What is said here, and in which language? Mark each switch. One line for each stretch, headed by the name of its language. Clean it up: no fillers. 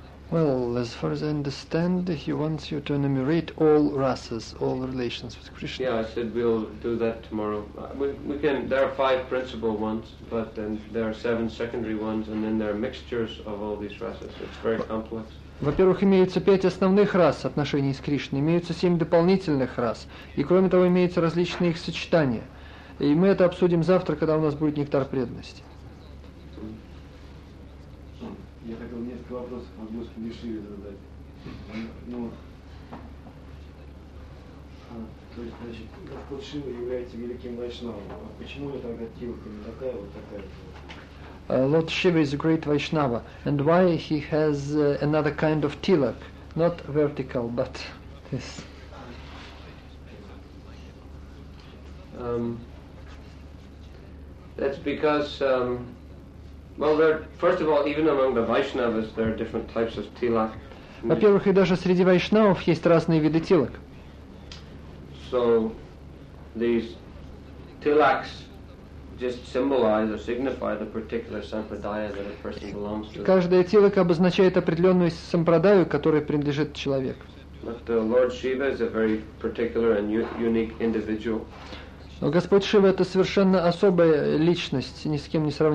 English: Well, as far as I understand, he wants you to enumerate all rasas, all relations with Krishna. Yeah, I said we'll do that tomorrow. We can. There are five principal ones, but then there are seven secondary ones, and then there are mixtures of all these rasas. It's very complex.
Russian: Во-первых, имеются пять основных рас отношений с Кришной, имеются семь дополнительных рас, и кроме того имеются различные их сочетания. И мы это обсудим завтра, когда у нас будет нектар преданности. Я хотел несколько вопросов от Господа Дешиви задать. Ну, то есть, значит, Господ Шива является великим вайшнавом. А почему я тогда тилка не такая, вот такая?
English: Lord Shiva is a great Vaishnava. And why he has another kind of tilak? Not vertical, but this. That's because... Well, there, first of all, even among the Vaishnavas, there are different types of tilak.
Russian: Во-первых, и даже среди вайшнавов есть разные виды тилак.
English: So, these tilaks just symbolize or signify the particular sampradaya that a person belongs to.
Russian: Каждая тилака обозначает определенную сампрадаю, которой принадлежит человек.
English: But the Lord Shiva is a very particular and unique individual.
Russian: Но Господь Шива — это совершенно особая личность, ни с кем не